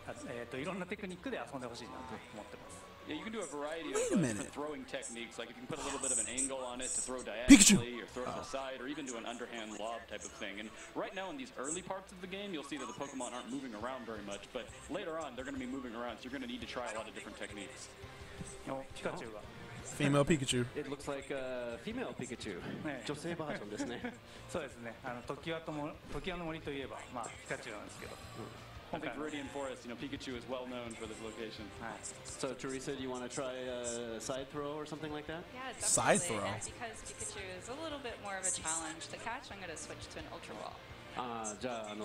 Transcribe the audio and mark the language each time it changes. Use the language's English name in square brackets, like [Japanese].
[Japanese] ポケモンの捕まえる時の投げ方もいろいろ工夫してますよね。そうですね。斜めに振ると斜めにボールが飛んでたり、横から横にサイドスローすると横に飛んでったりと、そのまあ、ダミーレベルは、最初の頃はあまりポケモンが動いてないですけど、後半になるとポケモンが動き出すんで、それに合わせていろんな投げ方でテクニックで皆さんのテクニックをどんなテクニックでもいろんなテクニックで遊んでほしいなと思ってます。 [English] Yeah, you can do a variety of throwing techniques. Like, you can put a little bit of an angle on it to throw diagonally, Pikachu. Or throw to the side, or even do an underhand lob type of thing. And right now, in these early parts of the game, you'll see that the Pokemon aren't moving around very much. But later on, they're going to be moving around, so you're going to need to try a lot of different techniques. Pikachu. Female Pikachu. It looks like a female Pikachu. [Japanese] 女性バージョンですね。そうですね。トキワの森といえば、まあ、ピカチュウなんですけど。 [English] I think Viridian Forest, you know, Pikachu is well known for this location. So, Teresa, do you want to try a side throw or something like that? Yeah, definitely. Side throw. And because Pikachu is a little bit more of a challenge to catch, I'm going to switch to an Ultra Ball.